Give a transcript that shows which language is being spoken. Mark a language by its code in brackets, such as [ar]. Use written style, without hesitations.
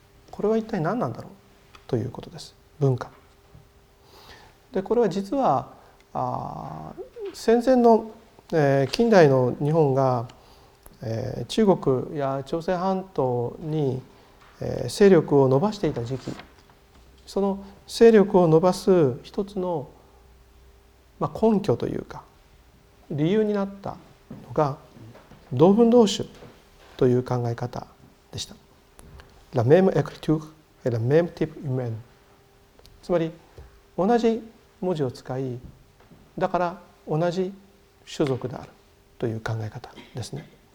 [ja] これは一体何なんだろうということです。文化。で、これは実は戦前の、近代の日本が、中国や朝鮮半島に、勢力を伸ばしていた時期、その勢力を伸ばす一つの、根拠というか理由になったのが同文同種という考え方でした。 [fr] La même écriture et la même type humain。 [ja] つまり同じ文字を使い、だから同じ種族であるという考え方ですね。